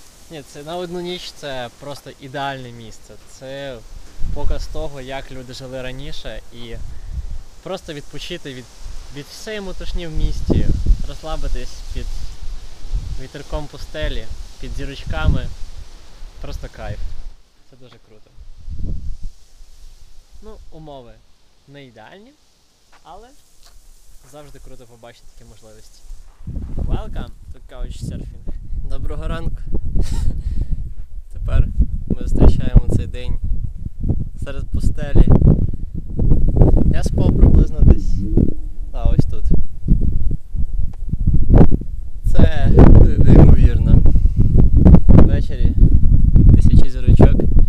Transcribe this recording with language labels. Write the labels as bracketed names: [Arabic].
[Ukrainian] Ні, це на одну ніч — це просто ідеальне місце. Це показ того, як люди жили раніше, і просто відпочити від всієї мутушні в місті, розслабитись під вітерком пустелі, під зірочками. Просто кайф. Це дуже круто. Ну, умови не ідеальні, але завжди круто побачити такі можливості. [English] Welcome to Couchsurfing. [Ukrainian] Доброго ранку. Тепер ми зустрічаємо цей день серед пустелі. Я спав приблизно десь. А, ось тут. Це неймовірно. Ввечері тисячі зірочок.